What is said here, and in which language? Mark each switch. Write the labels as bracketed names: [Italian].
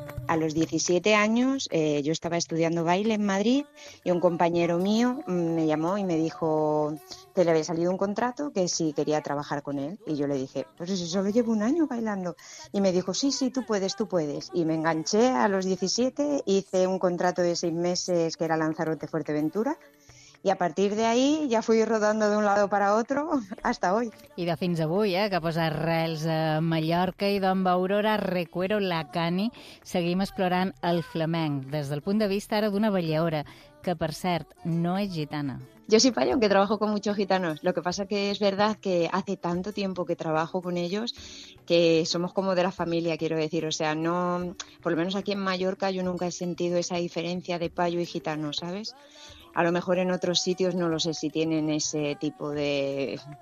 [Spanish] a los 17 años yo estaba estudiando baile en Madrid y un compañero mío me llamó y me dijo que le había salido un contrato, que si quería trabajar con él. Y yo le dije, pues si solo llevo un año bailando. Y me dijo, sí, sí, tú puedes, tú puedes. Y me enganché a los 17, hice un contrato de 6 meses que era Lanzarote Fuerteventura. I a partir d'ahí ja fui rodando d'un lado para otro hasta hoy. [Catalan] I de fins avui, que posa arrels a Mallorca i d'on va Aurora Recuero Lacani, seguim explorant el flamenc des del punt de vista ara d'una balleora, que per cert no és gitana. [Spanish] Yo soy payo, aunque trabajo con muchos gitanos. Lo que pasa que es verdad que hace tanto tiempo que trabajo con ellos que somos como de la familia, quiero decir. O sea, no, por lo menos aquí en Mallorca yo nunca he sentido esa diferencia de payo y gitano, ¿sabes? A lo mejor en otros sitios no lo sé si tienen ese tipo de...